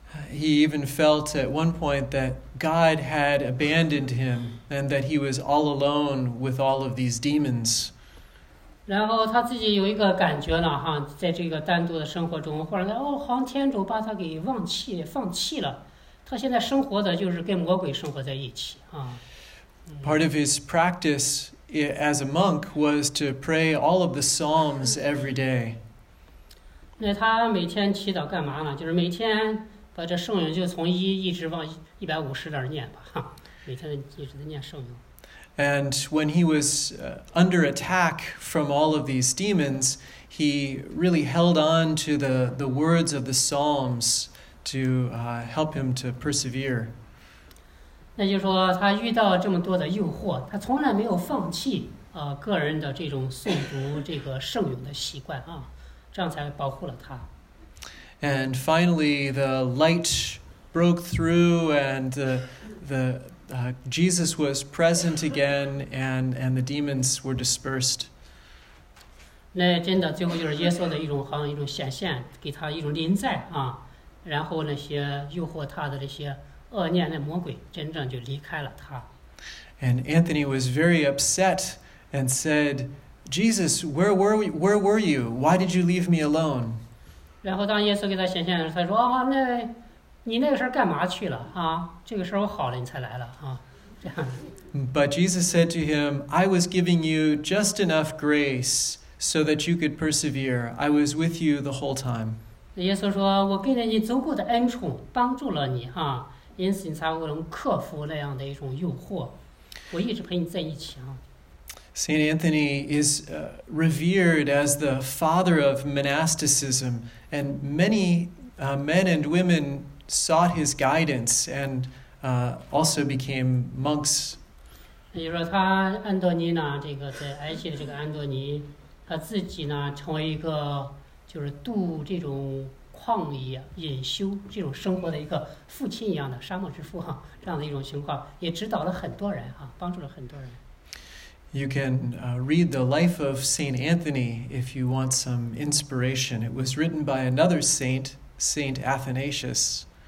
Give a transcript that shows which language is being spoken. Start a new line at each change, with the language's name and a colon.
English: He even felt at one point that God had abandoned him and that he was all alone with all of these demons.
Chinese: 然后他自己有一个感觉了哈，在这个单独的生活中，后来哦，好像天主把他给放弃了，他现在生活的就是跟魔鬼生活在一起啊。
English: Part of his practice as a monk was to pray all of the psalms every day.
Chinese: 那他每天祈祷干嘛呢？就是每天把这圣咏就从一直往150那儿念吧，哈，每天一直在念圣咏。
English: And when he was under attack from all of these demons, he really held on to the words of the Psalms to help him to persevere.
Chinese: 那就是说，他遇到这么多的诱惑，他从来没有放弃个人的这种诵读这个圣咏的习惯啊，这样才保护了他。
English: And finally, the light broke through, and the Jesus was present again, and the demons were dispersed.
Chinese: 那真的，最后就是耶稣的一种，好像一种显现，给他一种临在啊，然后那些诱惑他的那些恶念的魔鬼，真正就离开了他。
English: And Anthony was very upset and said, "Jesus, where were you? Why did you leave me alone?"
Chinese: 然后当耶稣给他显现的时候，他说："啊，你那个时候干嘛去了啊？这个时候好了，你才来了啊？" 这样。
English: But Jesus said to him, "I was giving you just enough grace so that you could persevere. I was with you the whole time."
Chinese: 耶稣说："我给了你足够的恩宠，帮助了你啊，因此你才能克服那样的一种诱惑。我一直陪你在一起啊。
English: Saint Anthony is revered as the father of monasticism, and many men and women sought his guidance and also became monks.
Chinese: 比如说，他安多尼呢，这个在埃及的这个安多尼，他自己呢成为一个就是度这种旷野隐修这种生活的一个父亲一样的沙漠之父哈，这样的一种情况，也指导了很多人哈，帮助了很多人。
English: You can read the life of Saint Anthony if you want some inspiration. It was written by another saint, Saint Athanasius.